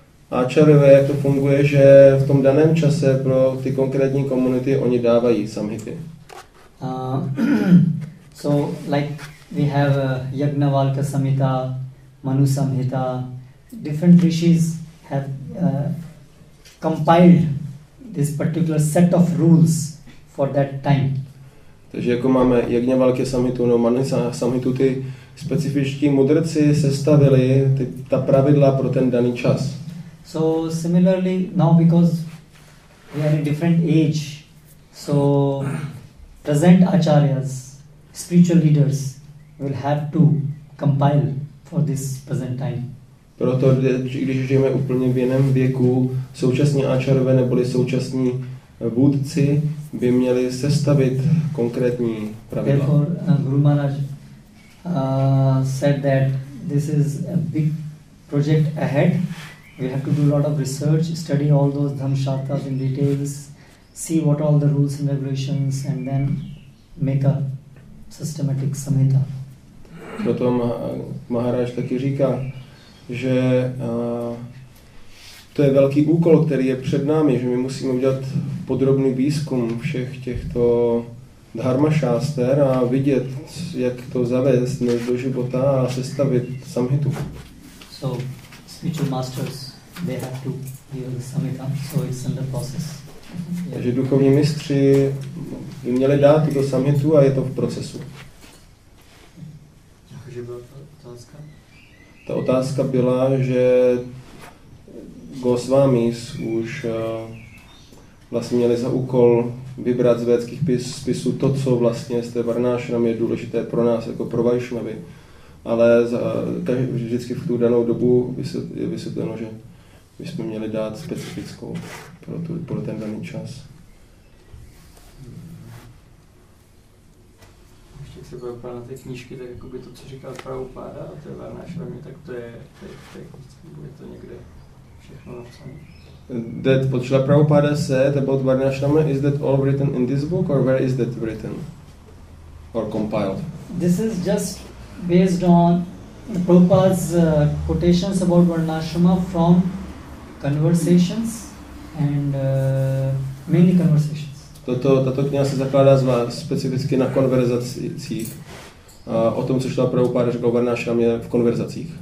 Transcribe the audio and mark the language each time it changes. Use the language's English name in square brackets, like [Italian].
[Czech] Acharyové, jak to funguje, že v tom daném čase pro ty konkrétní komunity oni dávají samhity. [English] So like we have Yajnavalka samhita, Manu samhita, different rishis have compiled this particular set of rules for that time. [Czech] Takže jako máme Yajnavalka samhitu, no Manu samhitu, ty specifičtí mudrci sestavili ta pravidla pro ten daný čas. [English] So similarly now because we are in different age, so present acharyas, spiritual leaders will have to compile for this present time. [Czech] Proto když žijeme úplně v jiném věku, současní acharyové neboli současní vůdci by měli sestavit konkrétní pravidla. [English] Therefore Guru Maharaj said that this is a big project ahead. We have to do a lot of research, study all those dhamshastras in details, see what all the rules and regulations, and then make a systematic samhita. [Czech] Proto Maharaj taky říká, že to je velký úkol, který je před námi, že my musíme udělat podrobný výzkum všech těchto dharmašáster a vidět, jak to zavést dnes do života a sestavit samhitu. [English] So, spiritual masters, they have to give the samhita, so it's in the process. Yeah. [Czech] Takže duchovní mistři by měli dát tuto samhitu a je to v procesu. Jakože byla ta otázka? Ta otázka byla, že Goswamis už vlastně měli za úkol vybrat z védských spisů to, co vlastně z té varnashramy je důležité pro nás, jako pro Vaishnavy. Ale vždycky v tu danou dobu je vysvětleno, že my jsme měli dát specifickou pro ten daný čas. Ještě se bude na té knížky, tak jakoby to, co říkal Prabhupáda, a to je varnashramy, tak to je někde všechno napsané. [English] That what Srila Prabhupada said about varnashramy, is that all written in this book, or where is that written? Or compiled? This is just based on the Prabhupada's quotations about varnashrama from conversations and mainly conversations. [Czech] Tato kniha se zakládá specificky na konverzacích. O tom, co šla Prabhupada řekl varnashram, je v konverzacích.